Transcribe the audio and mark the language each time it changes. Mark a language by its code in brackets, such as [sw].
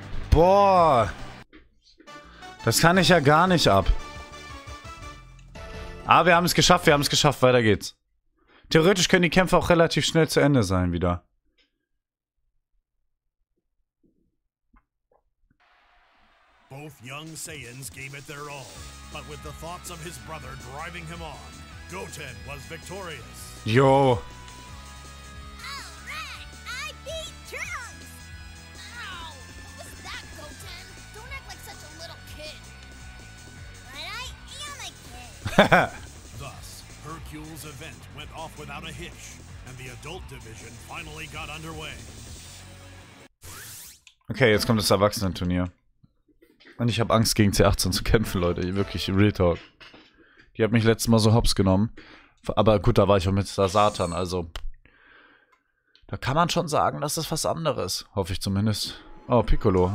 [de] Boah! Das kann ich ja gar nicht ab. Ah, wir haben es geschafft, wir haben es geschafft. Weiter geht's. Theoretisch können die Kämpfe auch relativ schnell zu Ende sein wieder. [en] Both young Saiyans gave it their all, but with the thoughts of his brother driving him on, Goten was victorious. Yo. Alright, I beat Trunks. Ow! What was that, Goten? Don't act like such a little kid. But I am a kid. Thus, Hercule's event went off without a hitch, and the adult division finally got underway. [de] Okay, jetzt kommt das Erwachsenenturnier. Und ich habe Angst, gegen C18 zu kämpfen, Leute. Wirklich, Real Talk. Die hat mich letztes Mal so hops genommen. Aber gut, da war ich auch mit der Satan, also. Da kann man schon sagen, das ist was anderes. Hoffe ich zumindest. Oh, Piccolo.